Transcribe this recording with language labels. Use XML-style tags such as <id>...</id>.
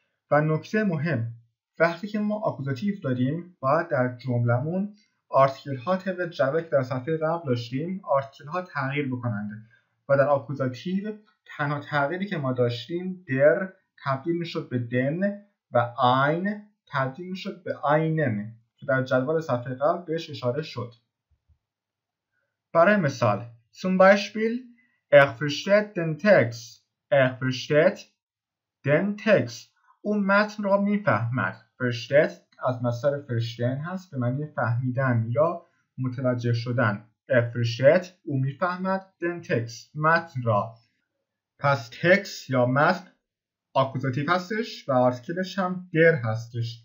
<fa>و نکته مهم، وقتی که ما آکوزاتیو داریم باید در جملمون آرتیکل ها طبق جدول که در صفحه قبل داشتیم آرتیکل ها تغییر بکنند و در آکوزاتیو تنها تغییری که ما داشتیم در تبدیل میشد به دن و این تبدیل میشد به اینن که در جدول صفحه قبل بهش اشاره شد. برای مثال</fa> <de>zum Beispiel Ich verstehe den Text. Ich verstehe den Text.</de> <fa>اون متن را میفهمد. فرشتت از مصدر فرشتن هست به معنی فهمیدن یا متوجه شدن. فرشتت او میفهمد دن تکس متن را. پس تکس یا متن آکوزاتیو هستش و آرتیکلش هم در هستش.</fa>